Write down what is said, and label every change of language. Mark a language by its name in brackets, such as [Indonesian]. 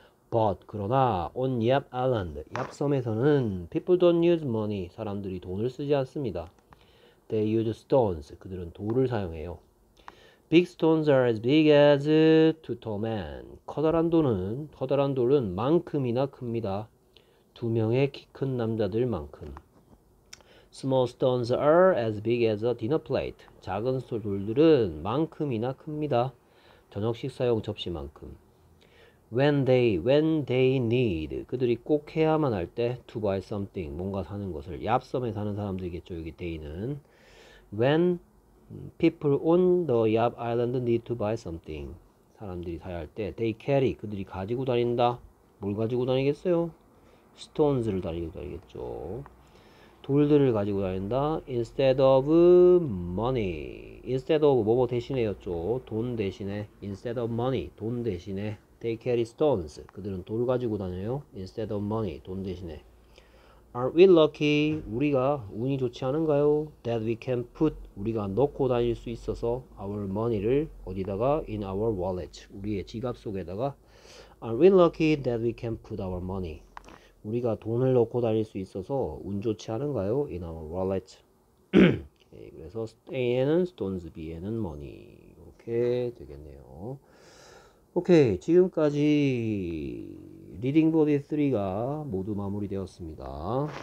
[English] But, [Korean] 그러나, [English] on Yap Island, [Korean] Yap 섬에서는, [English] people don't use money. [Korean] 사람들이 돈을 쓰지 않습니다. [English] They use stones. [Korean] 그들은 돌을 사용해요. [English] Big stones are as big as two tall men. [Korean] 커다란 돌은 만큼이나 큽니다. 두 명의 키큰 남자들만큼. [English] Small stones are as big as a dinner plate. [Korean] 작은 돌들은 만큼이나 큽니다. 저녁 식사용 접시만큼. [English] When they need. [Korean] 그들이 꼭 해야만 할 때, [English] to buy something. [Korean] 뭔가 사는 것을. 얍섬에 사는 사람들이겠죠, 여기 데이는. [English] When people on the Yap Island need to buy something. [Korean] 사람들이 사야 할 때, [English] they carry. [Korean] 그들이 가지고 다닌다. 뭘 가지고 다니겠어요? Stones를 가지고 다니겠죠. 돌들을 가지고 다닌다. [English] Instead of money. Instead of [Korean] 뭐뭐 대신에였죠. 돈 대신에. [English] Instead of money. [Korean] 돈 대신에. [English] They carry stones. [Korean] 그들은 돌 가지고 다녀요. [English] Instead of money. [Korean] 돈 대신에. [English] Are we lucky? [Korean] 우리가 운이 좋지 않은가요? [English] That we can put. [Korean] 우리가 넣고 다닐 수 있어서. [English] Our money를 [Korean] 어디다가? [English] In our wallet. [Korean] 우리의 지갑 속에다가. [English] Are we lucky that we can put our money? [Korean] 우리가 돈을 넣고 다닐 수 있어서 운 좋지 않은가요? [English] In our wallet. [Korean] 그래서 A에는 stones, B에는 money. 이렇게 되겠네요. 오케이. 지금까지 리딩 보디 3가 모두 마무리되었습니다.